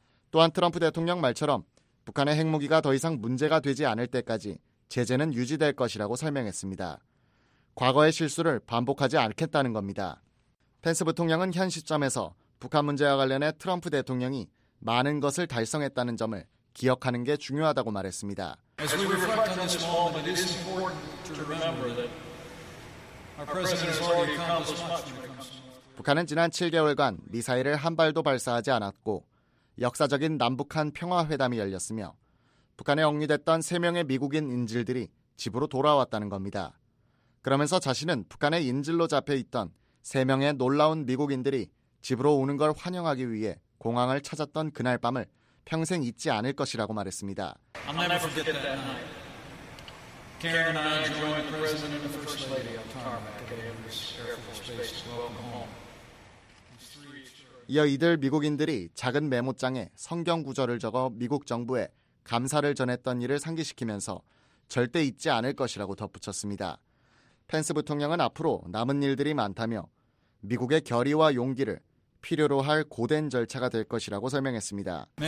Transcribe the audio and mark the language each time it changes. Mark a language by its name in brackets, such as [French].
[Korean] 또한 트럼프 대통령 말처럼 북한의 핵무기가 더 이상 문제가 되지 않을 때까지 제재는 유지될 것이라고 설명했습니다. 과거의 실수를 반복하지 않겠다는 겁니다. 펜스 부통령은 현 시점에서 북한 문제와 관련해 트럼프 대통령이 많은 것을 달성했다는 점을 기억하는 게 중요하다고 말했습니다. [English] As we reflect on this moment, it is important to remember that our president has already accomplished much. [Korean] 북한은 지난 7개월간 미사일을 한 발도 발사하지 않았고 역사적인 남북한 평화회담이 열렸으며 북한에 억류됐던 3명의 미국인 인질들이 집으로 돌아왔다는 겁니다. 그러면서 자신은 북한의 인질로 잡혀있던 3명의 놀라운 미국인들이 집으로 오는 걸 환영하기 위해 공항을 찾았던 그날 밤을 평생 잊지 않을 것이라고 말했습니다. [English] I'll never forget that night. Karen and I joined the President and the First Lady on tarmac at Davis Air Force Base to welcome home. [Korean] 이어 이들 미국인들이 작은 메모장에 성경 구절을 적어 미국 정부에 감사를 전했던 일을 상기시키면서 절대 잊지 않을 것이라고 덧붙였습니다. 펜스 부통령은 앞으로 남은 일들이 많다며 미국의 결의와 용기를 필요로 할 고된 절차가 될 것이라고 설명했습니다.